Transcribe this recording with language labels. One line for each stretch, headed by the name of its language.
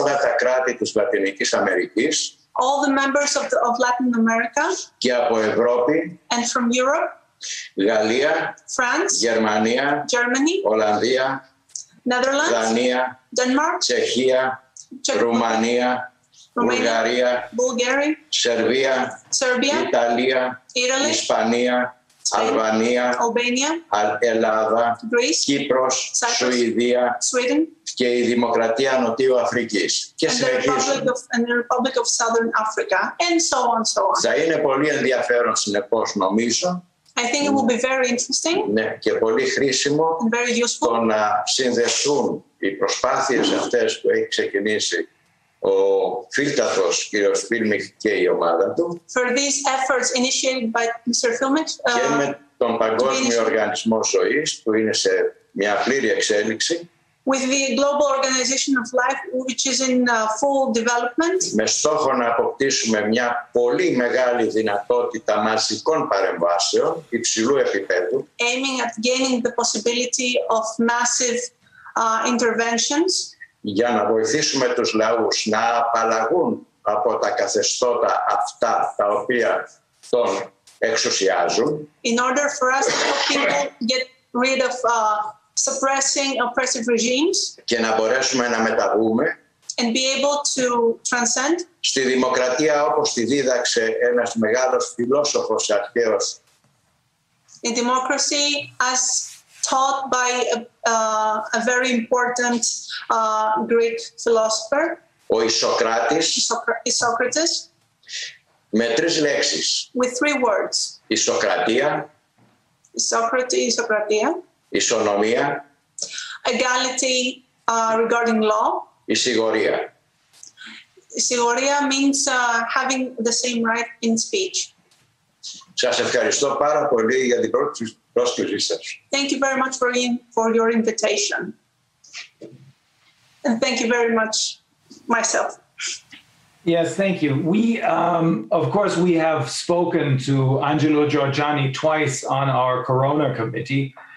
Greek: Όλα τα κράτη της Λατινικής Αμερικής.
English: All the members of Latin America.
Greek: Και από Ευρώπη.
English: And from Europe.
Greek: Γαλλία.
English: France.
Greek: Γερμανία.
English: Germany.
Greek: Ολλανδία.
English: Netherlands.
Greek: Δανία.
English: Denmark.
Greek: Τσεχία. Ρουμανία. Βουλγαρία.
English: Bulgaria.
Greek: Σερβία.
English: Serbia.
Greek: Ιταλία.
English: Italy.
Greek: Ισπανία. Αλβανία.
English: Albania.
Greek: Ελλάδα.
English: Greece.
Greek: Κύπρος.
English: Cyprus,
Greek: Σουηδία.
English: Sweden.
Greek: Και η Δημοκρατία Νοτιού Αφρικής. Και
English: and the Republic of Southern Africa. And so on, so on.
Greek: Θα είναι πολύ ενδιαφέρον συνεπώς, νομίζω.
English: I think it will be very interesting.
Greek: Ναι, και πολύ χρήσιμο.
English: And very useful.
Greek: Το να συνδεθούν οι προσπάθειες αυτές που έχει ξεκινήσει ο Φίλτατος, κύριος Φίλμιχ και η ομάδα του.
English: For these efforts initiated by Mr. Filmich,
Greek: και με τον Παγκόσμιο Οργανισμό Ζωής, που είναι σε μια πλήρη εξέλιξη.
English: With the Global Organization of Life, which is in full development.
Greek: Με στόχο να αποκτήσουμε μια πολύ μεγάλη δυνατότητα μαζικών παρεμβάσεων υψηλού επίπεδου.
English: Aiming at gaining the possibility of massive interventions.
Greek: Για να βοηθήσουμε τους λαούς να απαλλαγούν από τα καθεστώτα αυτά τα οποία τον εξουσιάζουν.
English: In order for us to help people get rid of suppressing oppressive regimes.
Greek: Και να μπορέσουμε να μεταβούμε.
English: And be able to transcend.
Greek: Στη δημοκρατία όπως τη δίδαξε ένας μεγάλος φιλόσοφος αρχαίος.
English: In democracy as taught by a very important Greek philosopher.
Greek: Ο Ισοκράτης. Ισόκρατης. Με τρεις λέξεις.
English: With three words.
Greek: Ισοκρατία. Ισοκρατία. Ισονομία.
English: Egality regarding law.
Greek: Ισυγορία.
English: Ισυγορία means having the same right in speech.
Greek: Σας ευχαριστώ πάρα πολύ για την πρόσκλησή σας.
English: Thank you very much for your invitation. And thank you very much myself. Yes, thank you. We, of course, we have spoken to Angelo Giorgiani twice on our Corona Committee.